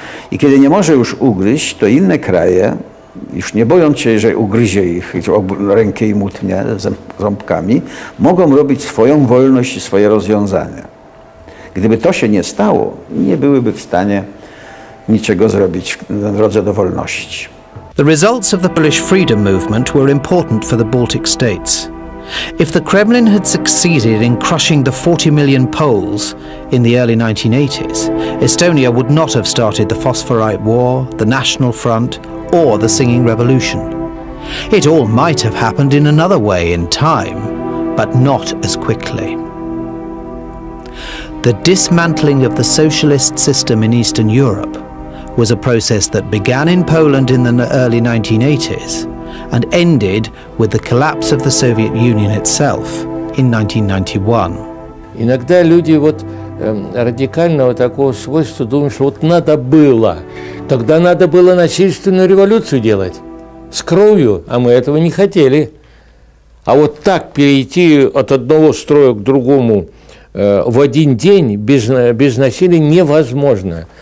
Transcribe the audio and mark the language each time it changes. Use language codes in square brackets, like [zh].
[pl] I kiedy nie może już ugryźć, to inne kraje, już nie bojąc się, że ugryzie ich rękę i mutnie ząbkami, mogą robić swoją wolność i swoje rozwiązania. Gdyby to się nie stało, nie byłyby w stanie niczego zrobić na drodze do wolności. [en] The results of the Polish freedom movement were important for the Baltic states. If the Kremlin had succeeded in crushing the 40 million Poles in the early 1980s, Estonia would not have started the Phosphorite War, the National Front, or the Singing Revolution. It all might have happened in another way in time, but not as quickly. The dismantling of the socialist system in Eastern Europe was a process that began in Poland in the early 1980s and ended with the collapse of the Soviet Union itself in 1991. [ru] Иногда люди вот радикального такого свойства думают, что вот надо было. Тогда надо было насильственную революцию делать с кровью, а мы этого не хотели. А вот так перейти от одного строя к другому в один день без насилия невозможно.